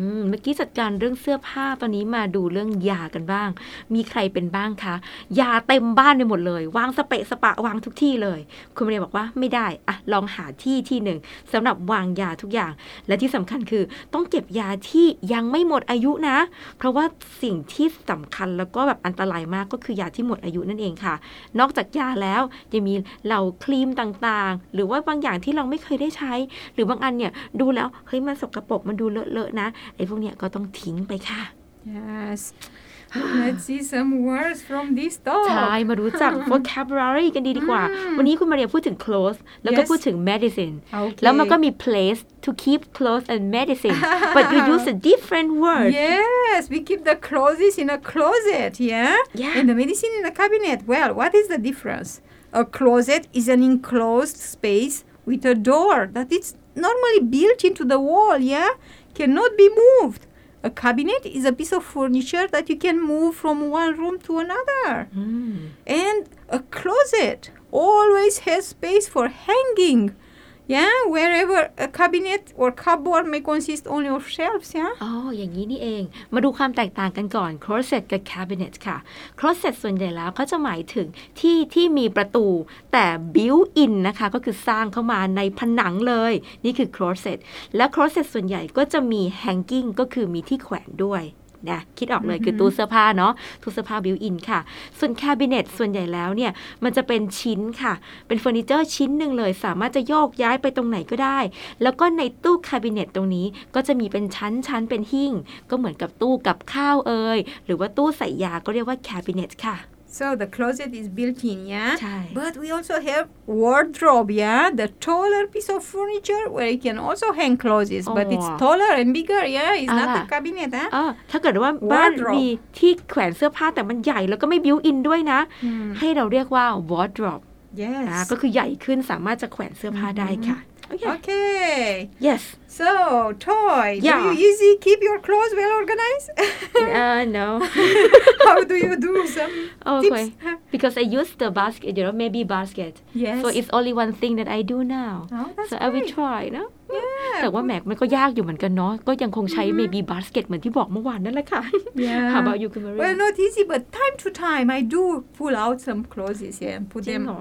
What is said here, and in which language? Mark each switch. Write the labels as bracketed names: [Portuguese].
[Thai] เมื่อกี้จัดการเรื่องเสื้อผ้าตอนนี้มาดูเรื่องยากันบ้างมีใครเป็นบ้างคะยาเต็มบ้านไปหมดเลยวางสเปะสปะวางทุกที่เลยคุณเมย์บอกว่าไม่ได้อะลองหาที่ที่หนึ่งสำหรับวางยาทุกอย่างและที่สำคัญคือต้องเก็บยาที่ยังไม่หมดอายุนะเพราะว่าสิ่งที่สำคัญแล้วก็แบบอันตรายมากก็คือยาที่หมดอายุนั่นเองค่ะ นอกจากยาแล้วยังมีเหล่าครีมต่างๆหรือว่าบางอย่างที่เราไม่เคยได้ใช้หรือบางอันเนี่ยดูแล้วเฮ้ยมันสกปรกมันดูเลอะๆนะไอ้พวกเนี้ยก็ต้องทิ้งไปค่ะ [English] Yes Let's see some words from this talk [Thai] ใช่มารู้จัก vocabulary กันดีดีกว่า วันนี้คุณมาเรียพูดถึง clothes แล้วก็ [English] yes. [Thai] พูดถึง medicine [English] okay. [Thai] แล้วมันก็มี [English] place to keep clothes and medicine but we use a different word Yes we keep the clothes in a closet yeah? yeah and the medicine in a cabinet Well what is the difference A closet is an enclosed spacewith a door that is normally built into the wall, yeah? Cannot be moved. A cabinet is a piece of furniture that you can move from one room to another. Mm. And a closet always has space for hanging, yeah? Wherever a cabinet or cupboard may consist only of shelves, yeah? [Thai] อ๋ออย่างนี้นี่เองมาดูความแตกต่างกันก่อน closet กับ cabinet ค่ะ closet ส่วนใหญ่แล้วก็จะหมายถึงที่ที่มีประตูแต่ built in นะคะก็คือสร้างเข้ามาในผนังเลยนี่คือ closet และ closet ส่วนใหญ่ก็จะมี hanging ก็คือมีที่แขวนด้วย นะคิดออกเลยคือตู้เสื้อผ้าเนาะตู้เสื้อผ้า built in ค่ะส่วน cabinet ส่วนใหญ่แล้วเนี่ยมันจะเป็นชิ้นค่ะเป็นเฟอร์นิเจอร์ชิ้นหนึ่งเลยสามารถจะโยกย้ายไปตรงไหนก็ได้แล้วก็ในตู้ cabinet ตรงนี้ก็จะมีเป็นชั้นชั้นเป็นหิ้งก็เหมือนกับตู้กับข้าวเอ่ยหรือว่าตู้ใส่ยาก็เรียกว่า cabinet ค่ะ [English] so the closet is built in yeah but we also have wardrobe yeah the taller piece of furniture where you can also hang clothes but it's taller and bigger yeah it's not the cabinet huh [Thai] ถ้าเกิดว่าบ้านมีที่แขวนเสื้อผ้าแต่มันใหญ่แล้วก็ไม่ built in ด้วยนะให้เราเรียกว่า wardrobe [English] yes [Thai] ก็คือใหญ่ขึ้นสามารถจะแขวนเสื้อผ้าได้ค่ะ [English] Okay. Yes. So, Toy, yeah. do you easy keep your clothes well organized? No. How do you do some okay. tips? Because I use the basket, you know, maybe basket. Yes. So it's only one thing that I do now. Oh, that's so great. I will try, no? Yeah. [Thai] แต่ว่าแม็กมันก็ยากอยู่เหมือนกันเนาะก็ยังคงใช้ maybe basket เหมือนที่บอกเมื่อวานนั่นแหละค่ะ [English] yeah. How about you, Kimberly? Well, not easy, but time to time I do pull out some clothes yeah, and put them